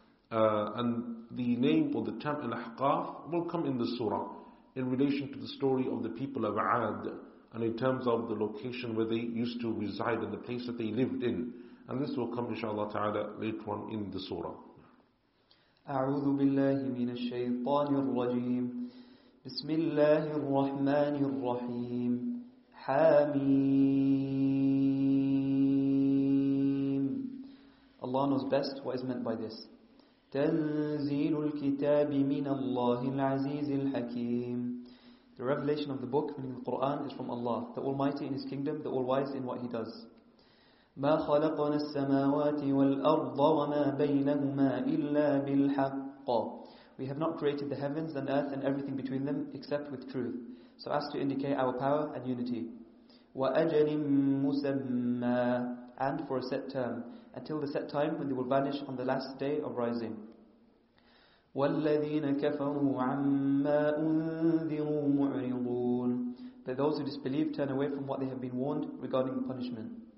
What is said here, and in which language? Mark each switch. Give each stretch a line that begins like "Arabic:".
English: And the name or the term al-Ahqaf will come in the surah in relation to the story of the people of Aad, and in terms of the location where they used to reside and the place that they lived in. And this will come, inshallah ta'ala, later on in the surah.
Arabic: أعوذ بالله من الشيطان الرجيم بسم الله الرحمن الرحيم حاميم
English: Allah knows best what is meant by this.
Arabic: تنزيل الكتاب من الله العزيز الحكيم
English: The revelation of the book, meaning the Quran, is from Allah, the Almighty in His kingdom, the All-Wise in what He does.
Arabic: ما خلقنا السماوات والأرض وما بينهما إلا بالحق.
English: We have not created the heavens and earth and everything between them except with truth, so as to indicate our power and unity.
Arabic: وأجل مسمى
English: and for a set term until the set time when they will vanish on the last day of rising.
Arabic: والذين كفروا عما أنذروا معرضون
English: But those who disbelieve turn away from what they have been warned regarding the punishment.